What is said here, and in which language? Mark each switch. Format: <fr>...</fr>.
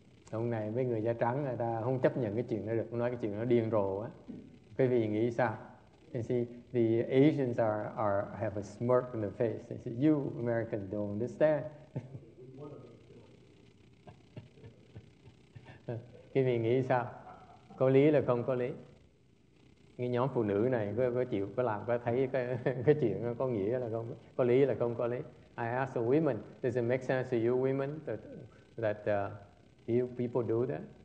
<vi>Ông này mấy người da trắng người ta không chấp nhận cái chuyện đó được, nói cái chuyện nó điên rồ á. Quý vị nghĩ sao?</vi> <en>You see, the Asians are have a smirk on their face. They say, you Americans don't understand.</en> <vi>Quý vị nghĩ sao? Có lý là không có lý. Cái nhóm phụ nữ này có chịu có làm có thấy cái chuyện có nghĩa là không có lý là không có lý.</vi> <en>I ask the women, does it make sense to you women that people do that?</en>